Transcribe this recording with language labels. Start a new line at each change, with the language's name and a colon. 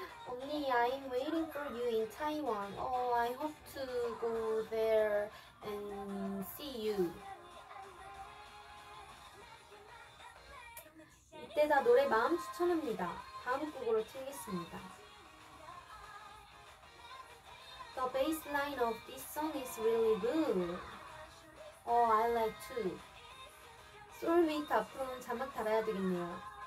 English: Only I am waiting for you in Taiwan. Oh, I hope to go there and see you.
Korean: 이때다 노래 마음 추천합니다. 다음 곡으로 틀겠습니다.
English: The bass line of this song is really good. Oh, I like too.
Korean: 솔메이트 앞으로는 자막 달아야 되겠네요.